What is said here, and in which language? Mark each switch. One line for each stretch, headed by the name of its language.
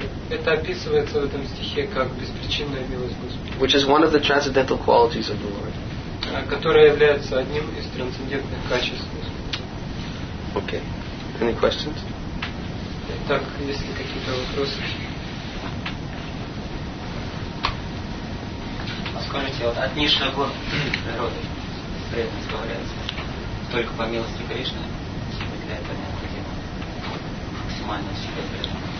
Russian: Это описывается в этом стихе как беспричинная милость Господа.
English: Which is one of the transcendental qualities of the Lord.
Russian: Которая является одним из трансцендентных качеств.
English: Okay. Any questions?
Russian: Итак, есть ли какие-то вопросы? Скажите, вот от низшего гор природы, преданно сговоряется, только по милости Кришны, если для этого необходимо максимально себя преданно.